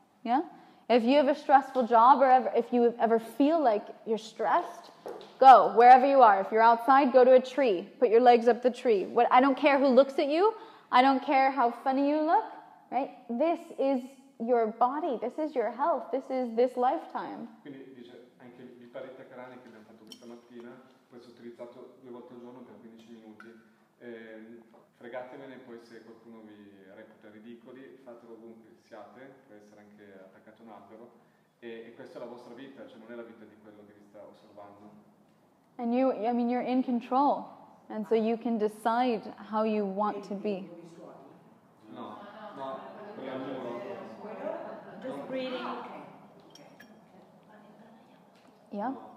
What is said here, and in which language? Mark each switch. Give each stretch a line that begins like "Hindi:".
English: Yeah, if you have a stressful job or if you ever feel like you're stressed, go, wherever you are. If you're outside, go to a tree. Put your legs up the tree. I don't care who looks at you. I don't care how funny you look, right? This is your body. This is your health. This is this lifetime.
Italian: Quindi dice anche Viparita Karani che abbiamo fatto questa mattina, puoi questo utilizzato due volte al giorno per 15 minuti. Fregatevene poi se qualcuno vi reputa ridicoli, fatelo ovunque siate, può essere anche attaccato a un albero, e questa è la vostra vita, cioè non è la vita di quello che vi sta osservando.
English: And you, I mean, you're in control, and so you can decide how you want to be.
Italian: No, no, quello è
English: muro. Just breathing. Yeah.